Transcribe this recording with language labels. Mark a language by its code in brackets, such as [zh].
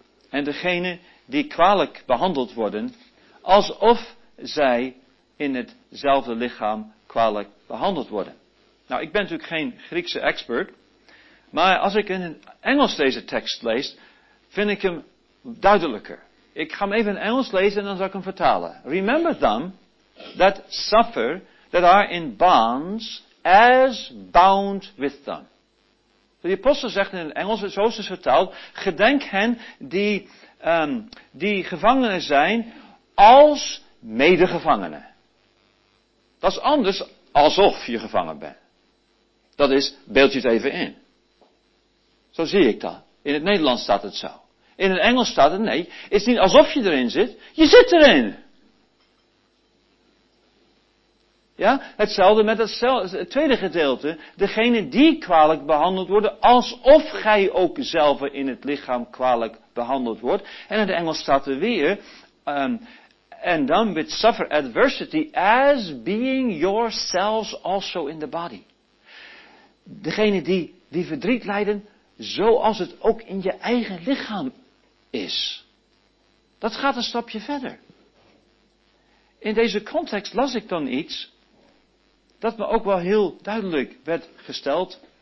[nl] En degene die kwalijk behandeld worden, alsof zij in hetzelfde lichaam kwalijk behandeld worden. Nou, ik ben natuurlijk geen Griekse expert, maar als ik in het Engels deze tekst lees, vind ik hem duidelijker. Ik ga hem even in het Engels lezen en dan zal ik hem vertalen. [en] Remember them that suffer, that are in bonds, as bound with them. [nl] De apostel zegt in het Engels, zoals het is vertaald, gedenk hen die, die gevangenen zijn als medegevangenen. Dat is anders alsof je gevangen bent. Dat is, beeld je het even in. Zo zie ik dat. In het Nederlands staat het zo. In het Engels staat het, nee, is niet alsof je erin zit, je zit erin. Ja, hetzelfde met het tweede gedeelte. Degene die kwalijk behandeld worden, alsof gij ook zelf in het lichaam kwalijk behandeld wordt. En in het Engels staat er weer, [en] and then with suffer adversity as being yourselves also in the body. [nl] Degene die verdriet lijden, zoals het ook in je eigen lichaam is. Dat gaat een stapje verder. In deze context las ik dan iets dat me ook wel heel duidelijk werd gesteld.